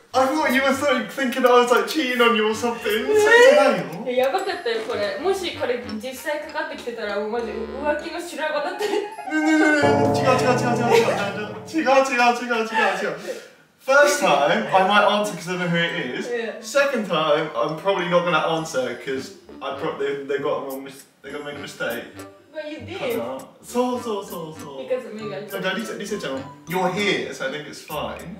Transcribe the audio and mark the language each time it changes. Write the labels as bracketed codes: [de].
[en] I thought you were so thinking I was like cheating on you or something. [ja] そうじゃないの？やばかったよ、これ。もし彼実際かかってきてたら、もうマジ浮気の修羅場だったり。違う。 [en] First time, I might answer because I know who it is. Yeah. Second time, I'm probably not going to answer because I probably they got wrong. They're going to make a mistake. But you did. So. Because of me. So, Lisa-chan, you're here, so I think it's fine.